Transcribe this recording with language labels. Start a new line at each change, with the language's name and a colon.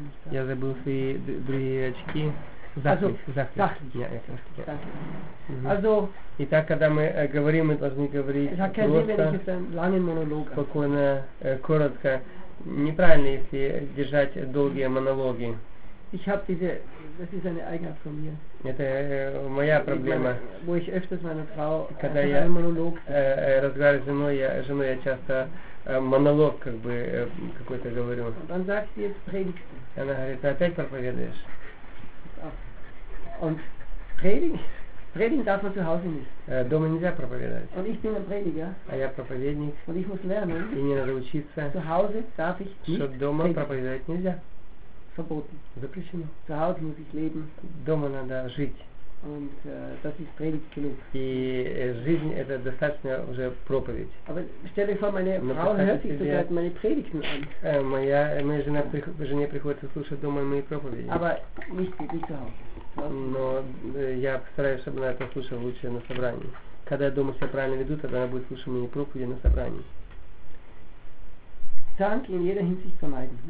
Russian: Я забыл свои другие очки.
German: Sachlich.
Russian: Итак, когда мы говорим, мы должны говорить просто, спокойно, коротко. Неправильно, если держать долгие монологи.
German: Ich habe diese, das ist eine Eigenart von mir.
Russian: Это моя проблема.
German: Wo ich öfters meine Frau,
Russian: когда я разговариваю с женой, я часто монолог как бы какой-то говорю.
German: Und dann sagt sie, jetzt predigst du.
Russian: Она говорит, ты опять проповедуешь?
German: Und Predigen darf man zu Hause nicht.
Russian: Дома нельзя проповедовать.
German: Und ich bin ein Prediger.
Russian: А я проповедник.
German: Und ich muss lernen.
Russian: И мне надо учиться.
German: Zu Hause darf ich nicht.
Russian: Что дома проповедовать нельзя.
German: Verboten.
Russian: Запрещено.
German: Zu Hause muss ich leben.
Russian: Дома надо жить.
German: Und das ist Predigt genug.
Russian: И жизнь это достаточно уже проповедь.
German: Aber stell dir vor, meine Frau hört sich sogar meine Predigten an.
Russian: Моя жена жене приходится слушать дома мои проповеди.
German: Aber nicht zu Hause.
Russian: Но я постараюсь, чтобы она это слушала лучше на собрании. Когда я дома себя правильно веду, тогда она будет слушать мои проповеди на собрании.
German: Zank in jeder Hinsicht vermeiden.